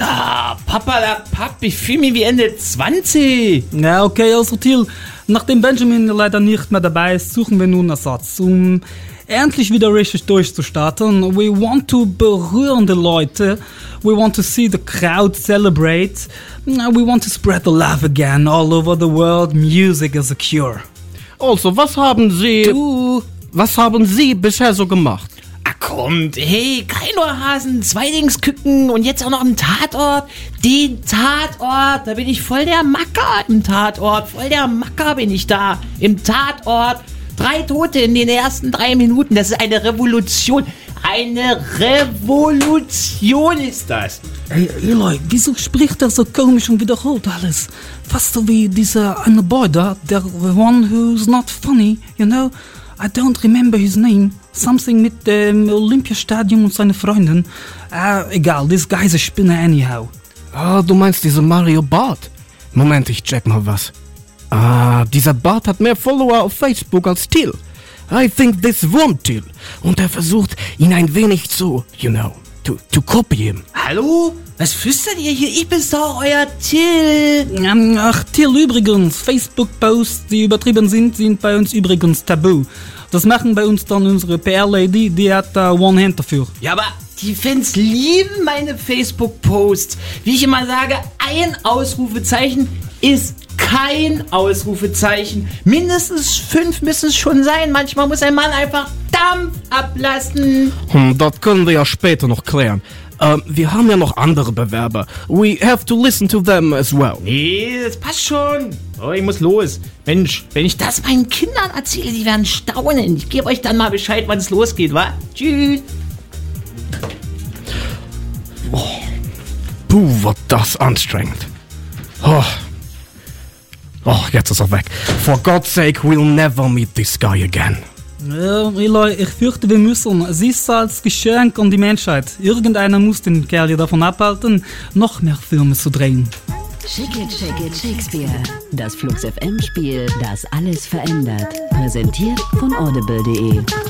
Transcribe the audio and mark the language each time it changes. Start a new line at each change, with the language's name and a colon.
German: Ah, Papa la Papp, ich fühle mich wie Ende 20. Ja, okay, also Till, nachdem Benjamin leider nicht mehr dabei ist, suchen wir nun einen Ersatz, um endlich wieder richtig durchzustarten.
English: We want to
German: berühren die Leute.
English: We want to see the crowd celebrate. We want to spread the love again all over the world. Music is a cure.
German: Also, was haben Sie bisher so gemacht? Ach kommt, hey, kein Ohrhasen, Zweidingsküken und jetzt auch noch im Tatort. Den Tatort, da bin ich voll der Macker im Tatort. Voll der Macker bin ich da im Tatort. 3 Tote in den ersten 3 Minuten, das ist eine Revolution. Eine Revolution ist das. Ey, Eloy, wieso spricht er so komisch und wiederholt alles? Fast so wie dieser eine Boy da, der
English: one who's not funny, you know? I don't remember his name. Something
German: mit dem Olympiastadion und seinen Freunden. Egal,
English: this guy's a spinner anyhow.
German: Ah, du meinst diese Mario Bart? Moment, ich check mal was. Ah, dieser Bart hat mehr Follower auf Facebook als Till.
English: I think this Wurm Till.
German: Und er versucht, ihn ein wenig zu,
English: you know, to copy him.
German: Hallo? Was flüstert ihr hier? Ich bin's doch, euer Till. Ach, Till, übrigens, Facebook-Posts, die übertrieben sind, sind bei uns übrigens tabu. Das machen bei uns dann unsere PR-Lady, die hat
English: One Hand
German: dafür. Ja, aber die Fans lieben meine Facebook-Posts. Wie ich immer sage, ein Ausrufezeichen ist kein Ausrufezeichen. Mindestens 5 müssen es schon sein. Manchmal muss ein Mann einfach Dampf ablassen. Das können wir ja später noch klären. Wir haben ja noch andere Bewerber.
English: We have to listen to them as well.
German: Nee, das passt schon. Oh, ich muss los. Mensch, wenn ich das meinen Kindern erzähle, die werden staunen. Ich gebe euch dann mal Bescheid, wann es losgeht, wa? Tschüss. Oh. Puh, wird das anstrengend. Oh. Oh, jetzt ist er weg.
English: For God's sake, we'll never meet this guy again.
German: Eloy, ich fürchte, wir müssen. Sie ist als Geschenk an die Menschheit. Irgendeiner muss den Kerl hier davon abhalten, noch mehr Filme zu drehen.
English: Shake it, shake it, Shakespeare.
German: Das Flux-FM-Spiel, das alles verändert. Präsentiert von Audible.de.